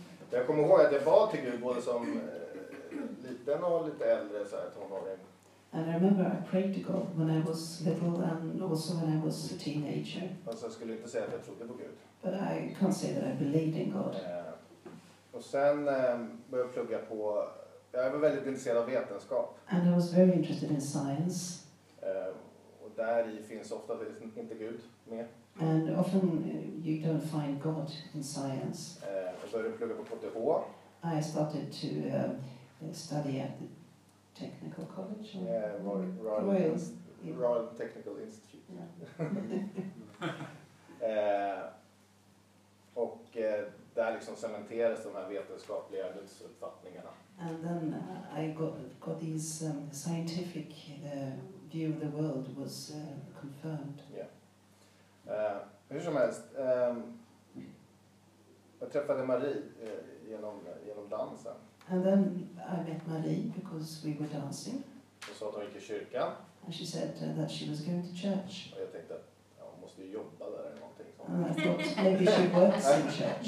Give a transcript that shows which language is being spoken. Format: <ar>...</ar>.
<sv>Jag kommer ihåg att jag bad till Gud både som liten och lite äldre, så här tonåring.</sv> <en>And I remember I prayed to God when I was little and also when I was a teenager.</en> <sv>Fast jag skulle inte säga att jag trodde på Gud.</sv> <en>But I can't say that I believed in God.</en> <sv>Och sen började jag plugga på, jag var väldigt intresserad av vetenskap.</sv> <en>And I was very interested in science.</en> <sv>Och där i finns ofta inte Gud med.</sv> <en>And often you don't find God in science.</en> <sv>Och så började jag plugga på KTH.</sv> <en>I started to study at the Technical College. Royal Technical Institute. Yeah.</en> <sv>och där liksom cementerades de här vetenskapliga uppfattningarna.</sv> <en>And then I got these scientific view of the world was confirmed. Yeah.</en> <sv>Hur som helst, jag träffade Marie genom dansen.</sv> <en>And then I met Marie because we were dancing.</en> <sv>Och sa att hon gick i kyrkan.</sv> <en>And she said that she was going to church.</en> <sv>Och jag tänkte att hon måste ju jobba där eller någonting.</sv> <en>And I thought maybe she works in church.</en>